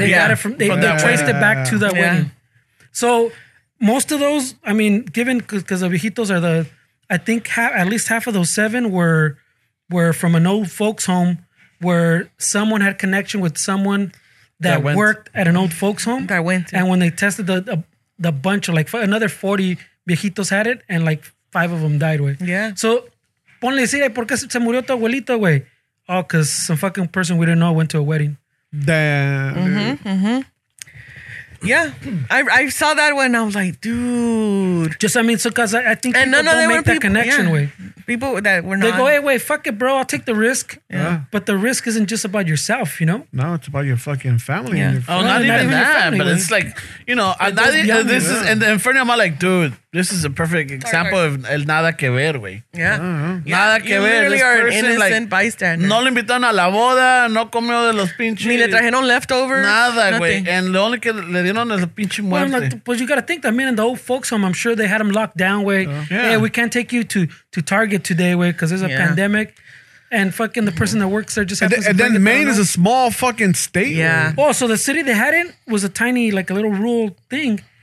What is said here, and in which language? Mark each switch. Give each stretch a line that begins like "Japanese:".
English: They got it from they traced it back to that wedding. So most of those, I mean, given because the viejitos are the, I think at least half of those 7 were from an old folks home where someone had connection with someone that worked at an old folks home. That went. Yeah. And when they tested the bunch of like another 40 viejitos had it and like 5 of them died, güey. Yeah.
Spanish: So, ponle decir, ¿por qué se murió tu abuelito, güey?
English: Oh, because some fucking person we didn't know went to a wedding. Damn. Yeah. I saw that one. I was like, dude. Just, I mean, so because I think people don't make that connection, güey. Yeah. people that were not. They go, hey, wait, fuck it, bro. I'll take the risk. Yeah. But the risk isn't just about yourself, you know? No, it's about your fucking family. Yeah. And your friends. Oh, not even that. Family, but it's like, you know, this is, and the Inferno, I'm like, dude, this is a perfect example of
Spanish: el nada que ver,
English: güey. Yeah.
Spanish: Nada que ver.
English: You literally are an innocent bystander.
Spanish: No le invitaron a la boda, no comió de los pinches. Ni le trajeron leftover. Nada, güey. And lo only que le dieron es la pinche muerte.
English: Well, like, but you got to think that, man, in the old folks home, I'm sure they had them locked down, güey. Yeah. Hey, we can't take you to Target today, güey, because there's a pandemic. And fucking the person that works there just happens and then to Maine is a small fucking state. Yeah. Oh, so the city they hadn't was a tiny, like a little rural thing.